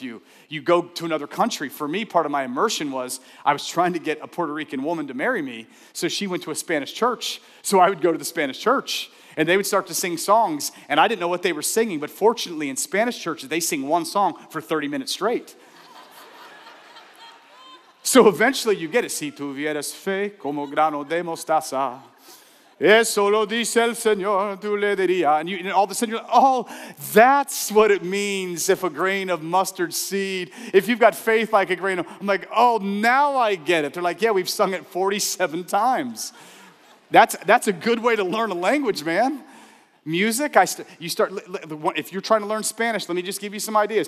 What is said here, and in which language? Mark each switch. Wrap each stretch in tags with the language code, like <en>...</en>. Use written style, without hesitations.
<en>You go to another country. For me, part of my immersion was I was trying to get a Puerto Rican woman to marry me, so she went to a Spanish church, so I would go to the Spanish church. And they would start to sing songs, and I didn't know what they were singing, but fortunately, in Spanish churches, they sing one song for 30 minutes straight. So eventually, you get it.</en> <es>Si tuvieras fe como grano de mostaza, eso lo dice el Señor, tú le dirías.</es> <en>And all of a sudden, you're like, oh, that's what it means if a grain of mustard seed, if you've got faith like a grain of, I'm like, oh, now I get it. They're like, yeah, we've sung it 47 times. That's a good way to learn a language, man. Music, if you're trying to learn Spanish, let me just give you some ideas.</en>